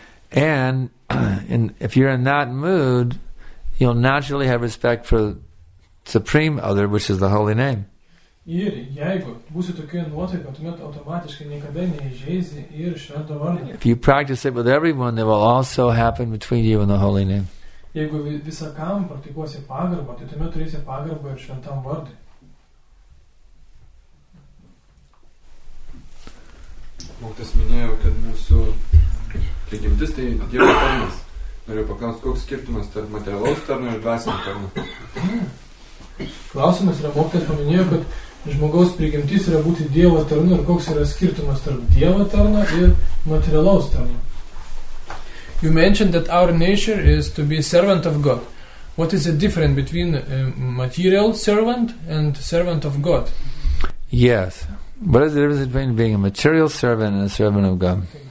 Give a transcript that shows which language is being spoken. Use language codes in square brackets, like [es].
[en] And if you're in that mood, you'll naturally have respect for supreme other, which is the holy name. [lt] Ir jeigu būsi tokioje nuotaikoje, tuomet automatiškai niekada neįžeisi ir švento vardo. [en] If you practice it with everyone, it will also happen between you and the holy name. [lt] Jeigu visą kam praktikuosi pagarbą, tai tuomet turėsi pagarbą ir šventam vardui. Mokytas minėjo, kad mūsų prigimtis tai Dievo tarnas. Norėjau paklausti, koks skirtumas tarp materialaus tarno ir dvasinio tarno. Klausimas yra, mokytas paminėjo, kad žmogaus prigimtis yra būti Dievo tarnu ir koks yra skirtumas tarp Dievo tarno ir materialaus tarno. [en] You mentioned that our nature is to be servant of God. What is the difference between material servant and servant of God? Yes. What is the difference between being a material servant and a servant of God?